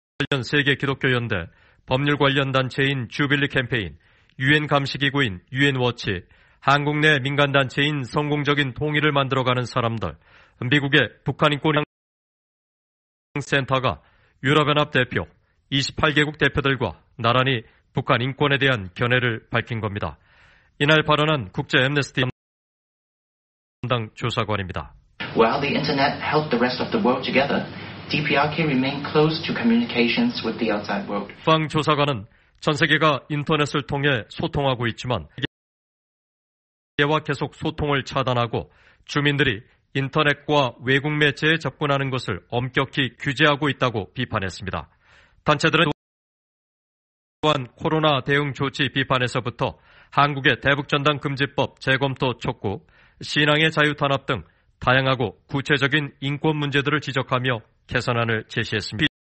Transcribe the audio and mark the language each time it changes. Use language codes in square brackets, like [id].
[ko] 관련 세계 기독교연대, 법률 관련 단체인 주빌리 캠페인, 유엔 감시기구인 유엔워치, 한국 내 민간단체인 성공적인 통일을 만들어가는 사람들, 미국의 북한인권센터가 유럽연합 대표, 28개국 대표들과 나란히 북한 인권에 대한 견해를 밝힌 겁니다. 이날 발언한 국제 앰네스티 담당 조사관입니다. [en] While the internet held the rest of the world together, DPRK remained close to communications with the outside world. [ko] 황 조사관은 전 세계가 인터넷을 통해 소통하고 있지만 세계와 계속 소통을 차단하고 주민들이 인터넷과 외국 매체에 접근하는 것을 엄격히 규제하고 있다고 비판했습니다. 단체들은 또한 코로나 대응 조치 비판에서부터 한국의 대북전단 금지법 재검토 촉구, 신앙의 자유 탄압 등 다양하고 구체적인 인권 문제들을 지적하며 개선안을 제시했습니다.